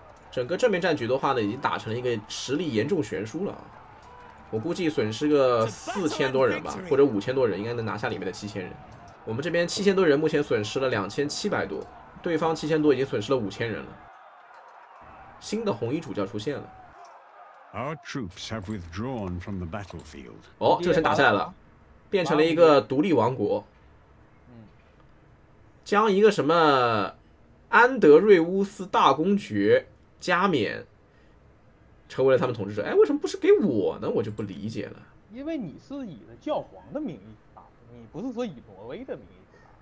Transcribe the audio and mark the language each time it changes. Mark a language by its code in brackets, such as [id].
[zh] 整个正面战局的话呢，已经打成了一个实力严重悬殊了。我估计损失个4000多人吧，或者5000多人，应该能拿下里面的7000人。我们这边7000多人目前损失了2700多，对方7000多已经损失了5000人了。新的红衣主教出现了。 [en] Our troops have withdrawn from the battlefield. [zh] 哦，这个城打下来了，变成了一个独立王国。将一个什么安德瑞乌斯大公爵加冕，成为了他们统治者。哎，为什么不是给我呢？我就不理解了。因为你是以的教皇的名义打，你不是说以挪威的名义打。